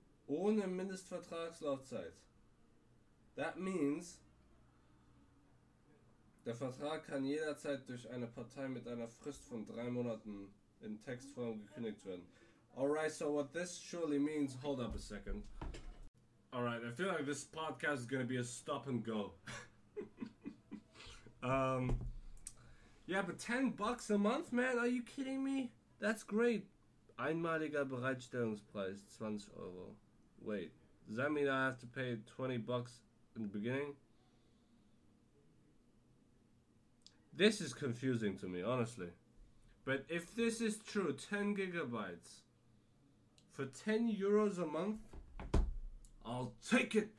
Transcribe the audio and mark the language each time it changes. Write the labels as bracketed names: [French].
[German] Ohne Mindestvertragslaufzeit. [English] That means [German] der Vertrag kann jederzeit durch eine Partei mit einer Frist von 3 Monaten in Textform gekündigt werden. [English] All right, so what this surely means, hold up a second. All right, I feel like this podcast is going to be a stop and go. Yeah, but $10 a month, man? Are you kidding me? That's great. [German] Einmaliger Bereitstellungspreis, 20 Euro. [English] Wait, does that mean I have to pay $20 in the beginning? This is confusing to me, honestly. But if this is true, 10 gigabytes for €10 a month, I'll take it.